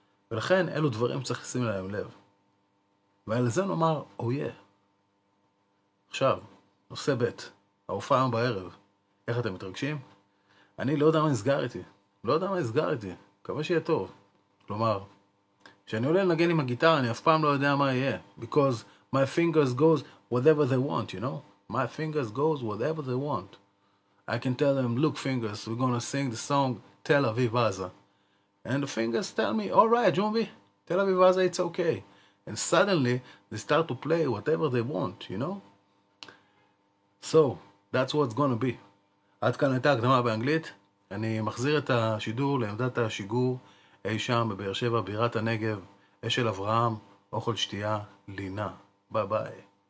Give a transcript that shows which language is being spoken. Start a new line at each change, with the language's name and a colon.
Hebrew: ולכן אלו דברים צריך לשים להם לב. ועל זה נאמר, אויה. עכשיו, נושא ב', ההופעה היום בערב. איך אתם מתרגשים? אני לא יודע מה נסגר איתי. לא יודע מה נסגר איתי. מקווה שיהיה טוב. כלומר, כשאני עולה לנגן עם הגיטרה, אני אף פעם לא יודע מה יהיה.
English: Because my fingers goes whatever they want, you know? My fingers goes whatever they want. I can tell them, look fingers, we're gonna sing the song Tel Aviv Aza. And the fingers tell me, all right, Jumbi, Tel Aviv Aza, it's okay. And suddenly, they start to play whatever they want, you know? So, that's what's gonna be.
Hebrew: עד כאן הייתה הקדמה באנגלית. אני מחזיר את השידור לעמדת השיגור אי שם בבאר שבע, בירת הנגב, אשל אברהם, אוכל שתייה, לינה. ביי ביי.